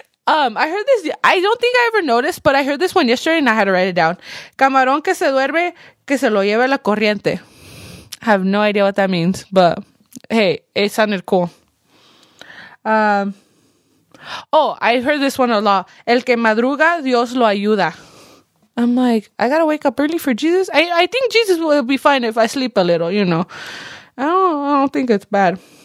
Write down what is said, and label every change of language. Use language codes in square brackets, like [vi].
[en] I heard this. I don't think I ever noticed, but I heard this one yesterday and I had to write it down. [es] Camarón que se duerme, que se lo lleve la corriente. [en] I have no idea what that means, but hey, it sounded cool. I heard this one a lot. [es] El que madruga, Dios lo ayuda. [en] I'm like, I gotta wake up early for Jesus. I think Jesus will be fine if I sleep a little, you know. I don't think it's bad.